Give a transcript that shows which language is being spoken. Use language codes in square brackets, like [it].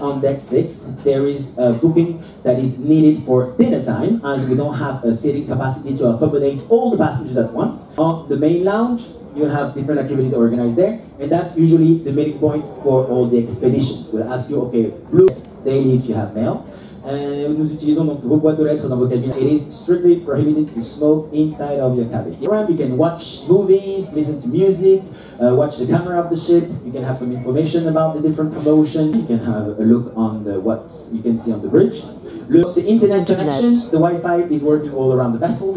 [en] On deck 6, there is a booking that is needed for dinner time, as we don't have a seating capacity to accommodate all the passengers at once. On the main lounge, you'll have different activities organized there, and that's usually the meeting point for all the expeditions. We'll ask you, okay, blue daily if you have mail. [fr] Nous utilisons donc vos boîtes aux lettres dans vos cabines. [en] It is strictly prohibited to smoke inside of your cabin. You can watch movies, listen to music, watch the camera of the ship. You can have some information about the different promotion. You can have a look on the what you can see on the bridge. Look, the internet connection, the Wi-Fi is working all around the vessel.